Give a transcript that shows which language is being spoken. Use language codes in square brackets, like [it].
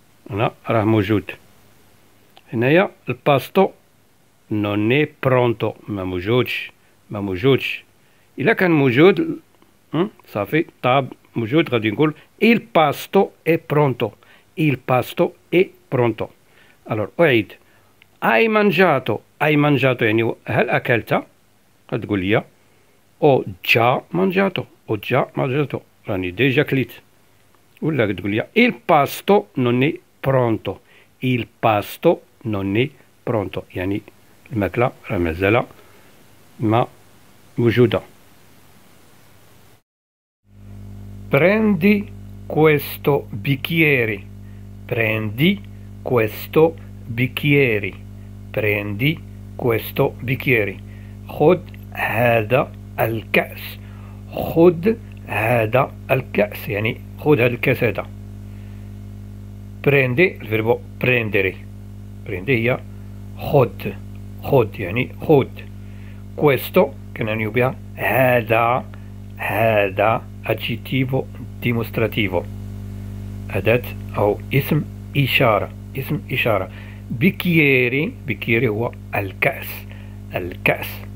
[ar] لا راه موجود هنايا [it] الباستو نوني برونتو، [ar] ما موجودش ما موجودش. إذا كان موجود صافي طاب موجود غادي نقول [it] il pasto è pronto. Il pasto è pronto. Allora [ar] أعيد، [it] hai mangiato؟ hai mangiato [ar] يعني هل أكلت؟ غتقول لي [it] ho già mangiato، ho già mangiato [ar] راني ديجا كليت. ولا كتقول لي [it] il pasto non è pronto، [ar] il pasto non è pronto يعني الماكلة راه مازال ما موجودة. [it] Prendi questo bicchiere. Prendi questo bicchiere. Prendi questo bicchiere. [ar] خد هذا الكأس. خد هذا الكأس يعني خد هذا الكأس هذا. [it] Prendi [ar] الفيربو [it] prendere. Prendi [ar] هي خد. خد يعني خد. [it] Questo [ar] كنا نيوبها هذا. هذا [it] adjettivo dimostrativo [ar] أداة أو اسم إشارة. اسم إشارة. بكيري بكيري هو الكأس. الكأس.